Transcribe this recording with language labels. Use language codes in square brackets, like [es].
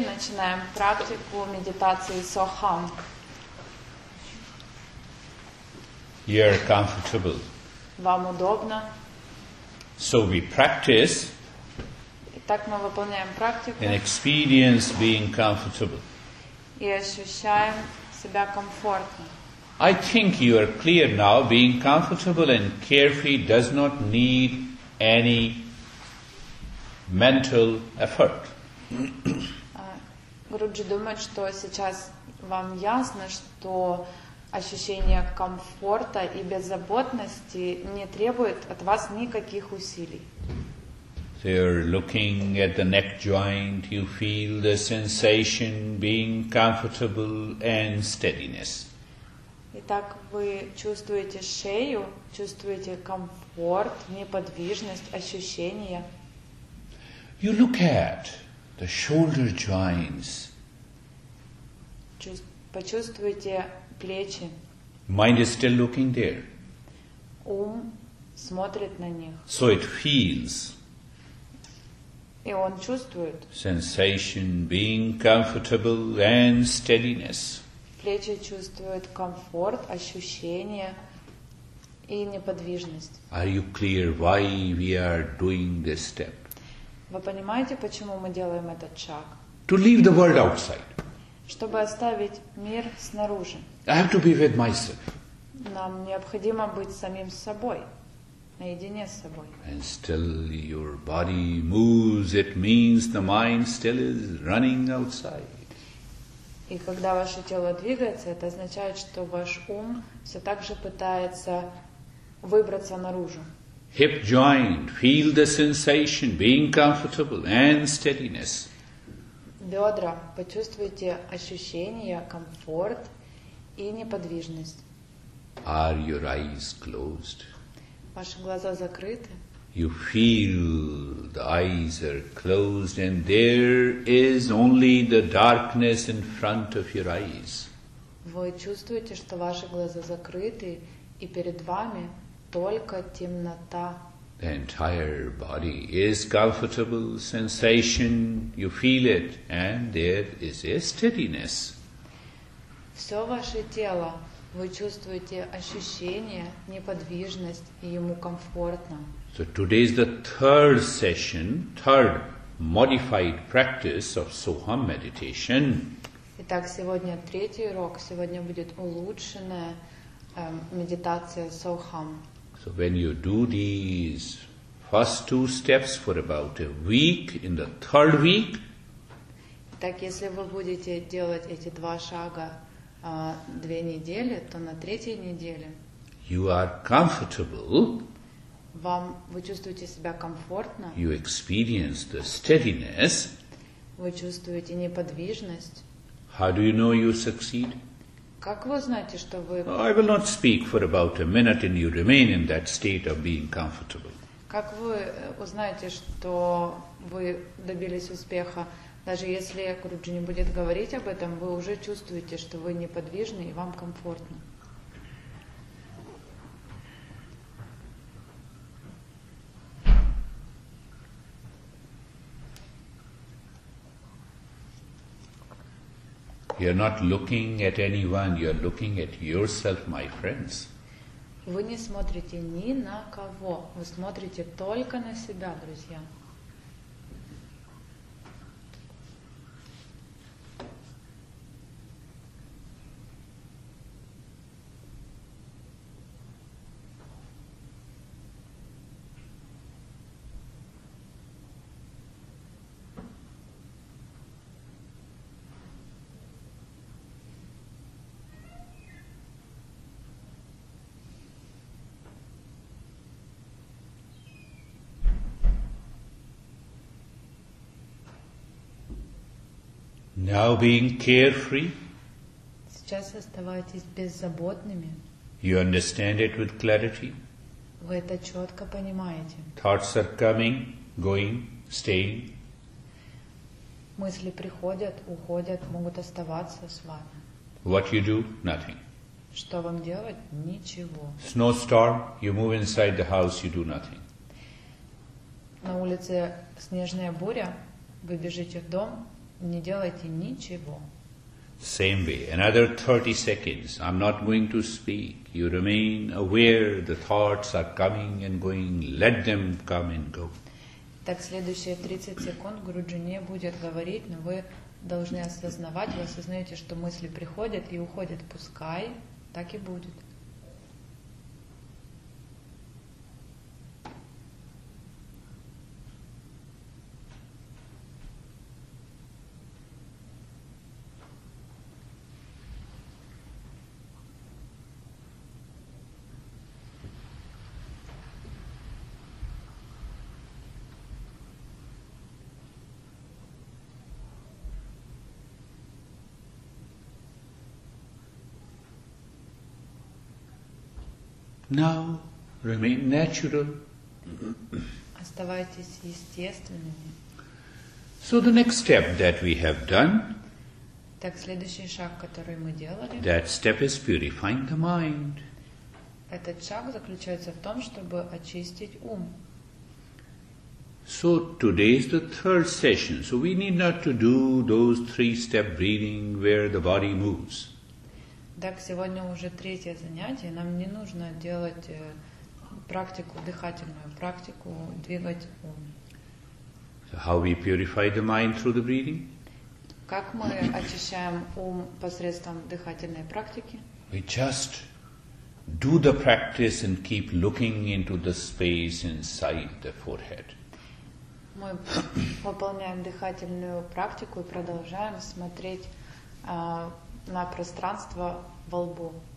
[ru] Начинаем практику медитации soham. [en] You're comfortable. [ru] Вам удобно. [en] So we practice. [ru] Итак, мы выполняем практику. [en] And experience being comfortable. [ru] И ощущаем себя комфортно. [en] I think you are clear now. Being comfortable and carefree does not need any mental effort. [ru] Груджи думает, что сейчас вам ясно, что ощущение комфорта и беззаботности не требует от вас никаких усилий. [en] They're looking at the neck joint. You feel the sensation being comfortable and steadiness. [ru] Итак, вы чувствуете шею, чувствуете комфорт, неподвижность, ощущение. [en] You look at the shoulder joints. [ru] Почувствуйте плечи. [en] Mind is still looking there. [ru] Ум смотрит на них. [en] So it feels. [ru] И он чувствует. [en] Sensation being comfortable and steadiness. [ru] Плечи чувствуют комфорт, ощущение и неподвижность. [en] Are you clear why we are doing this step? [ru] Вы понимаете, почему мы делаем этот шаг? [en] To leave the world outside. [ru] Чтобы оставить мир снаружи. [en] I have to be with myself. [ru] Нам необходимо быть самим собой, наедине с собой. [en] And still your body moves, it means the mind still is running outside. [ru] И когда ваше тело двигается, это означает, что ваш ум все так же пытается выбраться наружу. [en] Hip joint, feel the sensation, being comfortable and steadiness. [ru] Бедра, почувствуйте ощущение, комфорт и неподвижность. [en] Are your eyes closed? [ru] Ваши глаза закрыты. [en] You feel the eyes are closed and there is only the darkness in front of your eyes. [ru] Вы чувствуете, что ваши глаза закрыты и перед вами только темнота. [en] The entire body is comfortable sensation, you feel it, and there is a steadiness. [ru] Все ваше тело, вы чувствуете ощущение, неподвижность, и ему комфортно. [en] So today is the third session, third modified practice of Soham meditation. [ru] Итак, сегодня третий урок, сегодня будет улучшенная медитация Soham. [en] So when you do these first two steps for about a week, in the third week, [ru] так если вы будете делать эти два шага две недели, то на третьей неделе [en] you are comfortable, [ru] вы чувствуете себя комфортно, [en] you experience the steadiness, [ru] вы чувствуете неподвижность. [en] How do you know you succeed? [ru] Как вы знаете, что вы? [en] I will not speak for about a minute, and you remain in that state of being comfortable. [ru] Как вы узнаете, что вы добились успеха, даже если Гуруджи не будет говорить об этом, вы уже чувствуете, что вы неподвижны и вам комфортно. [en] You're not looking at anyone, you're looking at yourself, my friends. [ru] Вы не смотрите ни на кого, вы смотрите только на себя, друзья. [en] Now being carefree. [ru] Сейчас оставайтесь беззаботными. [en] You understand it with clarity. [ru] Вы это четко понимаете. [en] Thoughts are coming, going, staying. [ru] Мысли приходят, уходят, могут оставаться с вами. [en] What you do? Nothing. [ru] Что вам делать? Ничего. [en] Snowstorm, you move inside the house, you do nothing. [ru] На улице снежная буря, вы бежите в дом. Не делайте ничего. [en] Same way. Another 30 seconds. I'm not going to speak. You remain aware the thoughts are coming and going. Let them come and go. [ru] Так следующие 30 секунд Гуруджи не будет говорить, но вы должны осознавать, вы осознаете, что мысли приходят и уходят. Пускай так и будет. [en] Now remain natural. [ru] Оставайтесь естественными. [en] So the next step that we have done. [ru] Так следующий шаг, который мы делали. [en] That step is purifying the mind. [ru] Этот шаг заключается в том, чтобы очистить ум. [en] So today is the third session. So we need not to do those three-step breathing where the body moves. [ru] Так, сегодня уже третье занятие, нам не нужно делать практику, дыхательную практику, двигать ум. [en] So how we purify the mind through the breathing? [ru] Как мы очищаем ум посредством дыхательной практики? [en] We just do the practice and keep looking into the space inside the forehead. [ru] Мы выполняем дыхательную практику и продолжаем смотреть на пространство во лбу.